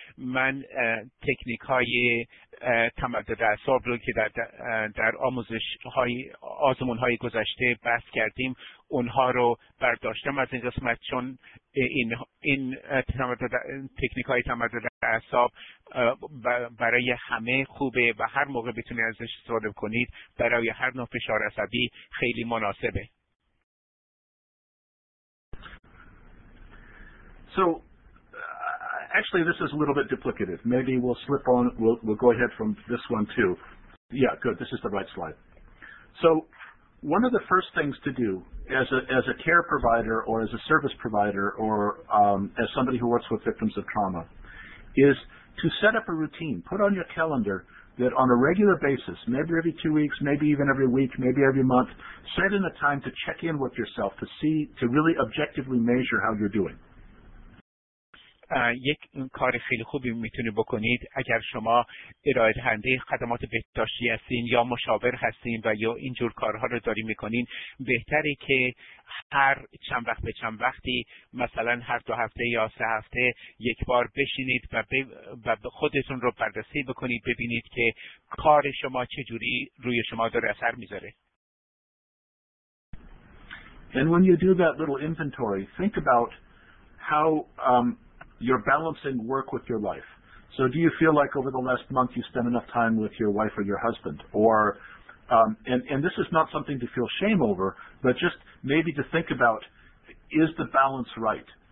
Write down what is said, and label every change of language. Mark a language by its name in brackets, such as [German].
[Persian] من تکنیک های تمدد اعصاب رو که در آموزش های آزمون های گذشته بحث کردیم اونها رو برداشتم از این قسمت، چون این تکنیک های تمدد اعصاب برای همه خوبه و هر موقع بتونید ازش استفاده کنید برای هر نوع فشار عصبی خیلی مناسبه. [English] So actually this is a little bit duplicative. Maybe we'll slip on, we'll go ahead from this one too. Yeah, good, this is the right slide. So one of the first things to do as a care provider or as a service provider or as somebody who works with victims of trauma is to set up a routine. Put on your calendar that on a regular basis, maybe every 2 weeks, maybe even every week, maybe every month, set in a time to check in with yourself to really objectively measure how you're doing. [Persian] یک کار خیلی خوبی میتونید بکنید اگر شما ارائه دهنده خدمات بهداشتی هستین یا مشاور هستین و یا اینجور کارها رو دارین میکنین، بهتره که هر چند وقت به چند وقتی، مثلا هر دو هفته یا سه هفته یک بار بشینید و خودتون رو بررسی بکنید، ببینید که کار شما چجوری روی شما داره اثر میذاره. [English] And when you do that little inventory, think about how you're balancing work with your life. So do you feel like over the last month you spent enough time with your wife or your husband? Or, and this is not something to feel shame over, but just maybe to think about, is the balance right?